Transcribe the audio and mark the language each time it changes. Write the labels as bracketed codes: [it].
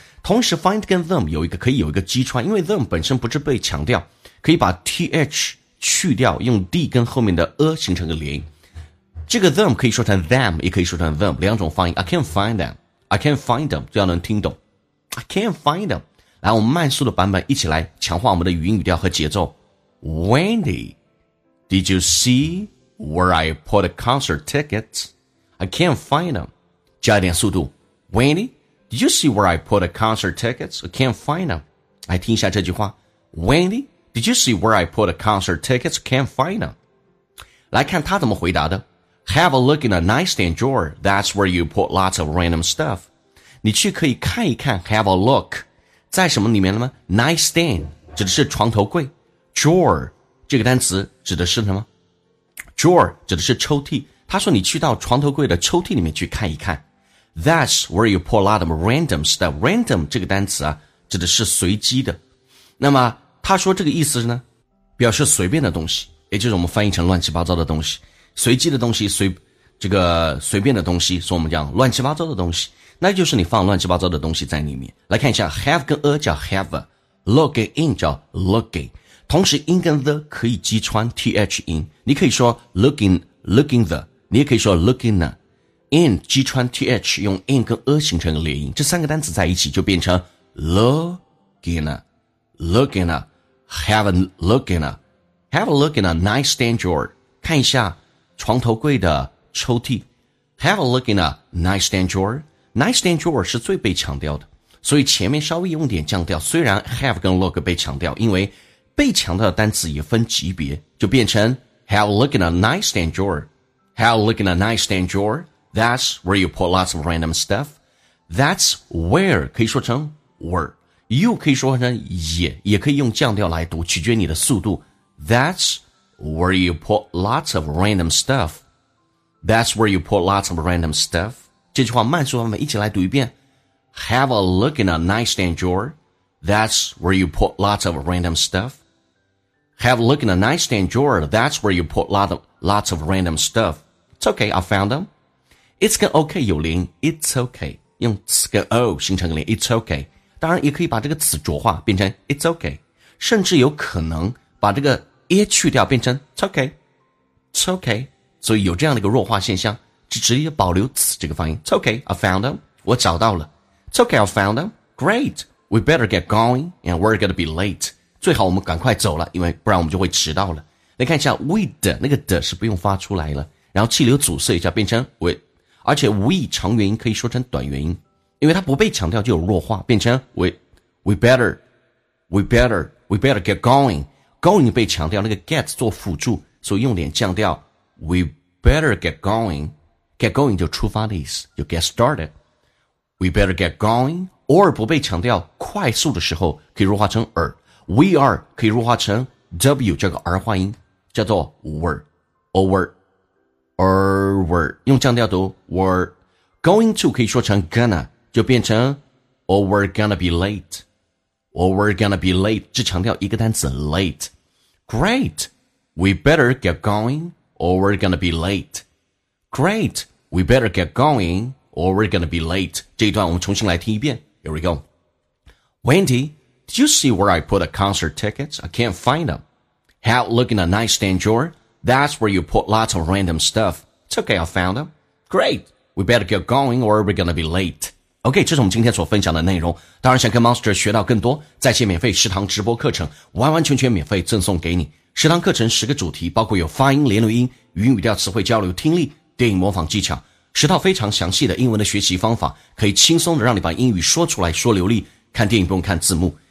[zh] 同时 find 跟 them 有一个可以有一个击穿，因为 them 本身不是被强调，可以把 th 去掉，用 d 跟后面的 a 形成个连音。这个 them 可以说成 them， 也可以说成 them， 两种发音。 [en] I can't find them. I can't find them. [zh] 这样能听懂。 [en] I can't find them. [zh] 来，我们慢速的版本一起来强化我们的语音语调和节奏。 [en] Wendy, did you see where I put the concert tickets? I can't find them. [zh] 加一点速度。 [en] Wendy, did you see where I put the concert tickets? I can't find them. [zh] 来听一下这句话。 [en] Wendy, did you see where I put the concert tickets? I can't find them. [zh] 来看他怎么回答的。 [en] Have a look in a nightstand drawer. That's where you put lots of random stuff. [zh] 你去可以看一看 ,have a look. 在什么里面了吗 ?Nightstand, 指的是床头柜。 Drawer, 这个单词指的是什么 ?Drawer, 指的是抽屉。他说你去到床头柜的抽屉里面去看一看。 [en] That's where you put a lot of random stuff. [zh] Random, 这个单词啊指的是随机的。那么他说这个意思是呢表示随便的东西。也就是我们翻译成乱七八糟的东西。随机的东西随便的东西所以我们讲乱七八糟的东西。那就是你放乱七八糟的东西在里面。来看一下 ,have 跟 a 叫 have,look 跟 in 叫 looking。同时 in 跟 the 可以击穿 th 音。你可以说 looking the, 你也可以说 looking the。 in 击穿 th, 用 in 跟 a 形成连音。 这三个单词在一起就变成 looking,looking, [en] have a looking,have a looking a nightstand drawer。 [zh] 看一下床头柜的抽屉。 [en] have a looking a nightstand drawer。 [zh] Nightstand drawer 是最被强调的，所以前面稍微用点降调，虽然 have 跟 look 被强调，因为被强调的单词也分级别，就变成 [en] Have a look in a nightstand drawer. Have a look in a nightstand drawer. That's where you put lots of random stuff. That's where 可以说成 were. [zh] You 可以说成也可以用降调来读，取决你的速度。 [en] That's where you put lots of random stuff. That's where you put lots of random stuff. [zh] 这句话慢速版本一起来读一遍。 [en] Have a look in a nightstand drawer. That's where you put lots of random stuff. Have a look in a nightstand drawer. That's where you put lots of random stuff. It's okay, I found them. It's 跟 OK 有连音。It's okay. [zh] 用词跟 O 形成个连音。It's okay. 当然也可以把这个词浊化变成 It's okay. 甚至有可能把这个 A 去掉变成 It's okay. [en] It's okay. [zh] 所以有这样的一个弱化现象。只直接保留此这个发音。 [en] It's okay, I found them. [zh] 我找到了。 [en] It's okay, I found them. Great. We better get going and we're gonna be late. [zh] 最好我们赶快走了，因为不然我们就会迟到了。来看一下 we 的那个的是不用发出来了，然后气流阻塞一下变成 we, 而且 we 长元音可以说成短元音，因为它不被强调就有弱化，变成 [en] we better get going. [zh] Going 被强调，那个 get 做辅助，所以用点降调 we better get goingget going 就出发的意思，就 get started. We better get going. 偶尔不被强调快速的时候可以弱化成 We are 可以弱化成 W 这个儿化音，叫做 were, over, over, 用降调读 were. [en] Going to 可以说成 gonna, 就变成 Oh, we're gonna be late. Oh, we're gonna be late, 只强调一个单词 late. Great, we better get going, or we're gonna be late. Great, we better get going, or we're gonna be late. [zh] 这一段我们重新来听一遍 [en] Here we go. Wendy,Did you see where I put the concert tickets? I can't find them. Have a look in the nightstand drawer. That's where you put lots of random stuff. It's okay, I found them. Great. We better get going or we're gonna be late. [zh] OK, 这是我们今天所分享的内容。当然想跟 Monster 学到更多，在线免费食堂直播课程完完全全免费赠送给你。食堂课程十个主题，包括有发音、连读音、语音语调、词汇交流、听力、电影模仿技巧，十套非常详细的英文的学习方法，可以轻松的让你把英语说出来说流利，看电影不用看字幕。